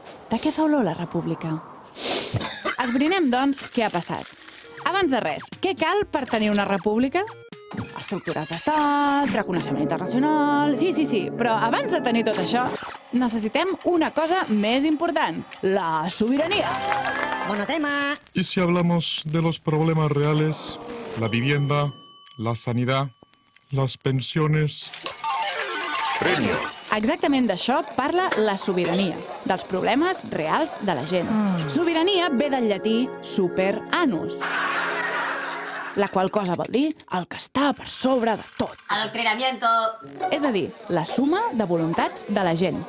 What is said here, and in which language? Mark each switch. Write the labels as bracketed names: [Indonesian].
[Catalan] De què fa olor la república? Esbrinem, doncs, què ha passat. Abans de res, què cal per tenir una república? Estructures d'estat, reconeixement internacional... Sí, però abans de tenir tot això, necessitem una cosa més important, la sobirania. Monotema! [Spanish] I si hablamos de los problemas reales, la vivienda, la sanidad, las pensiones... Premio! [Catalan] Exactament d'això parla la sobirania, dels problemes reals de la gent. Sobirania ve del llatí super anus. La qual cosa vol dir el que està per sobre de tot. El creamiento. És a dir, la suma de voluntats de la gent.